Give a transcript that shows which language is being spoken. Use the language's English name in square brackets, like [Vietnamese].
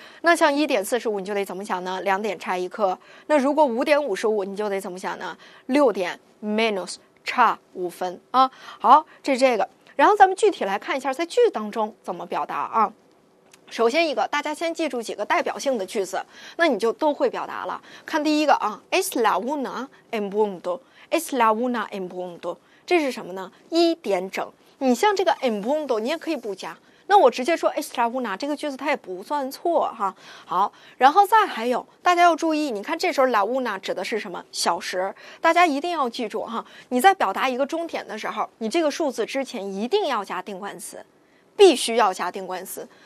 [Chinese] 那像1:45，你就得怎么想呢？2点差一刻。那如果5:55，你就得怎么想呢？ 6点 minus 差5分啊。好，这个。然后咱们具体来看一下在句当中怎么表达啊。首先一个，大家先记住几个代表性的句子，那你就都会表达了。看第一个啊， [Spanish] es la una en punto， es la una en punto， [Chinese] 这是什么呢？ 1点整。你像这个 en punto 你也可以不加，那我直接说 [Spanish] es la una， [Chinese] 这个句子它也不算错哈。好，然后再还有大家要注意，你看这时候 la una 指的是什么？小时。大家一定要记住哈，你在表达一个钟点的时候，你这个数字之前一定要加定冠词，必须要加定冠词。